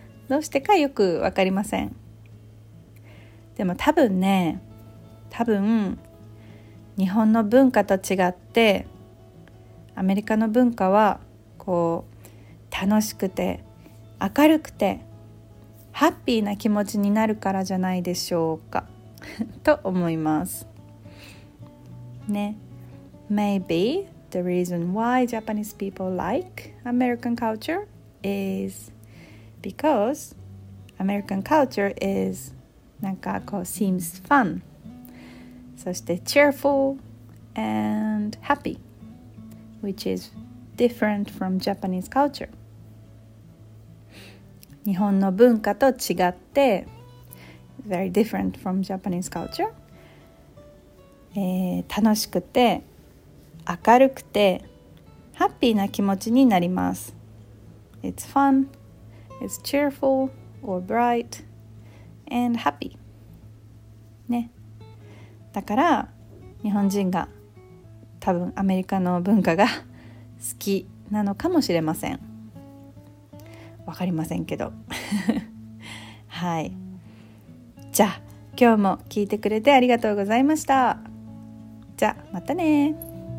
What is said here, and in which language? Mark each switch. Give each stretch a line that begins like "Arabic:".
Japanese: どうしてかよくわかりません。でも多分ね、多分日本の文化と違ってアメリカの文化はこう楽しくて明るくてハッピーな気持ちになるからじゃないでしょうかと思いますね。
English: Maybe the reason why Japanese people like American culture is because American culture is
Japanese: なんかこう
English: seems fun
Japanese: そして
English: cheerful and happy which is different from Japanese culture。
Japanese: 日本の文化と違って
English: very different from Japanese culture、
Japanese: 楽しくて明るくてハッピーな気持ちになります。
English: It's fun, it's cheerful or bright and happy ね。
Japanese: だから日本人が多分アメリカの文化が好きなのかもしれません。わかりませんけどはい、じゃあ今日も聞いてくれてありがとうございました。じゃあまたねー。